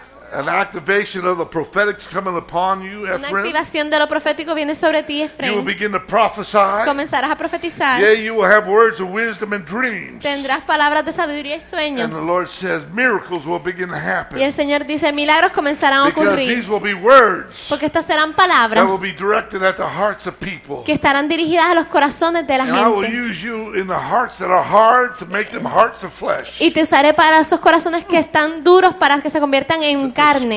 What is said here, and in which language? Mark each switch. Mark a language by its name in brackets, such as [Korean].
[English] An activation of the prophetic is coming upon you, Ephraim. [Spanish] Una activación de lo profético viene sobre ti, Efraín. [English] You will begin to prophesy. [Spanish] Comenzarás a profetizar. [English] Yeah, you will have words of wisdom and dreams. [Spanish] Tendrás palabras de sabiduría y sueños. [English] And the Lord says miracles will begin to happen. [Spanish] Y el Señor dice milagros comenzarán a ocurrir. [English] Because these will be words. [Spanish] Porque estas serán palabras. [English] That will be directed at the hearts of people. [Spanish] Que estarán dirigidas a los corazones de la [English] and [Spanish] gente. [English] And I will use you in the hearts that are hard to make them hearts of flesh. [Spanish] Y te usaré para esos corazones que están duros para que se conviertan en carne,